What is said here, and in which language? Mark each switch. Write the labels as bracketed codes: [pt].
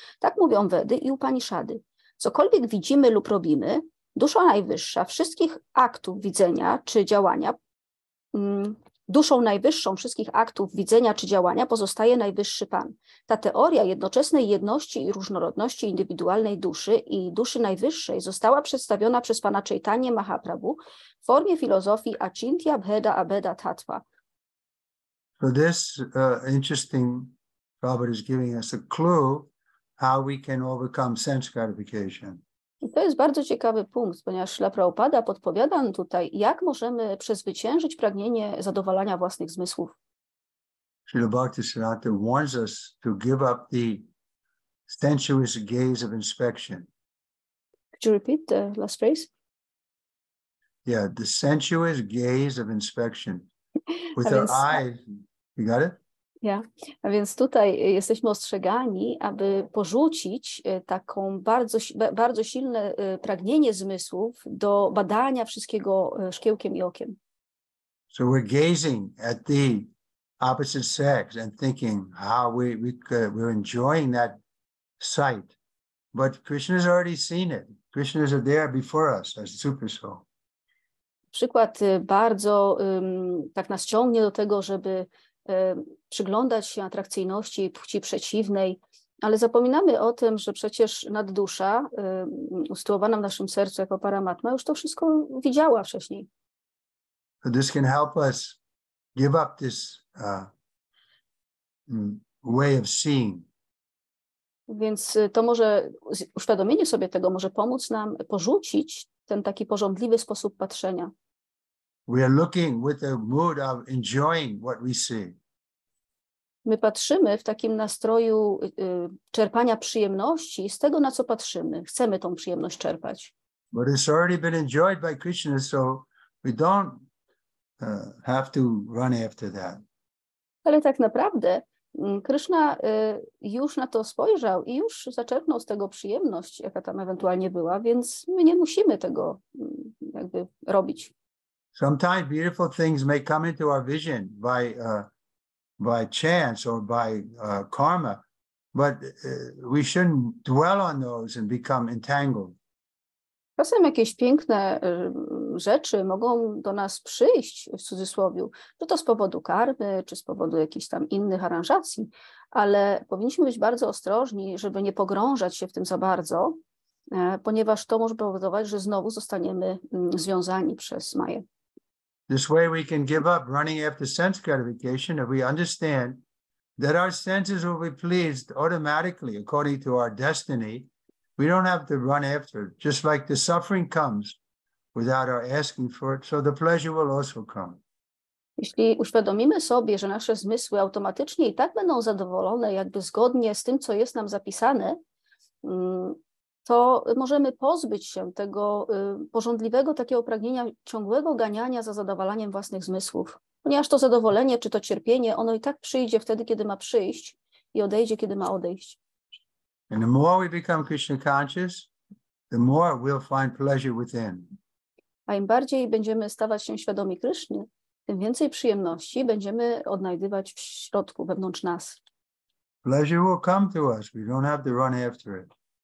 [pl] Tak mówią Wedy i Upaniszady. Cokolwiek widzimy lub robimy, dusza najwyższa wszystkich aktów widzenia czy działania, duszą najwyższą wszystkich aktów widzenia czy działania pozostaje Najwyższy Pan. Ta teoria jednoczesnej jedności i różnorodności indywidualnej duszy i duszy najwyższej została przedstawiona przez Pana Chaitanya Mahaprabhu w formie filozofii Achintya Bheda Abheda Tattva. [en] So this interesting Prabhupada is giving us a clue how we can overcome sense gratification. [pl] I to jest bardzo ciekawy punkt, ponieważ Śrila Prabhupada podpowiada nam tutaj, jak możemy przezwyciężyć pragnienie zadowalania własnych zmysłów. [en] Śrila Bhaktisiddhanta warns us to give up the sensuous gaze of inspection. Could you repeat the last phrase? Yeah, the sensuous gaze of inspection. With our eyes, you got it? Ja. [pl] A więc tutaj jesteśmy ostrzegani, aby porzucić taką bardzo, bardzo silne pragnienie zmysłów do badania wszystkiego szkiełkiem i okiem. [en] So we're gazing at the opposite sex and thinking how we're enjoying that sight. But Krishna has already seen it. Krishna is there before us as the super soul. [pl] Przykład bardzo tak nas ciągnie do tego, żeby przyglądać się atrakcyjności płci przeciwnej, ale zapominamy o tym, że przecież naddusza usytuowana w naszym sercu jako paramatma już to wszystko widziała wcześniej. [en] So this can help us give up this way of seeing. [pl] Więc to może uświadomienie sobie tego może pomóc nam porzucić ten taki pożądliwy sposób patrzenia. [en] We are looking with a mood of enjoying what we see. [pl] My patrzymy w takim nastroju czerpania przyjemności z tego, na co patrzymy. Chcemy tą przyjemność czerpać. [en] But it's already been enjoyed by Krishna, so we don't have to run after that. [pl] Ale tak naprawdę Krishna już na to spojrzał i już zaczerpnął z tego przyjemność, jaka tam ewentualnie była, więc my nie musimy tego jakby robić. [en] Sometimes beautiful things may come into our vision by by chance or by karma, but we shouldn't dwell on those and become entangled. [pl] Czasem jakieś piękne rzeczy mogą do nas przyjść, w cudzysłowie, czy to z powodu karmy, czy z powodu jakichś tam innych aranżacji, ale powinniśmy być bardzo ostrożni, żeby nie pogrążać się w tym za bardzo, ponieważ to może powodować, że znowu zostaniemy związani przez Maję. [en] This way we can give up running after sense gratification if we understand that our senses will be pleased automatically according to our destiny. We don't have to run after, just like the suffering comes without our asking for it, so the pleasure will also come. [pl] Jeśli uświadomimy sobie, że nasze zmysły automatycznie i tak będą zadowolone, jakby zgodnie z tym, co jest nam zapisane, to możemy pozbyć się tego pożądliwego takiego pragnienia ciągłego ganiania za zadowalaniem własnych zmysłów. Ponieważ to zadowolenie czy to cierpienie, ono i tak przyjdzie wtedy, kiedy ma przyjść i odejdzie, kiedy ma odejść. [en] And the more we become Krishna conscious, the more we'll find pleasure within. [pl] A im bardziej będziemy stawać się świadomi Kryszny, tym więcej przyjemności będziemy odnajdywać w środku, wewnątrz nas. [en] Pleasure will come to us. We don't have to run after it.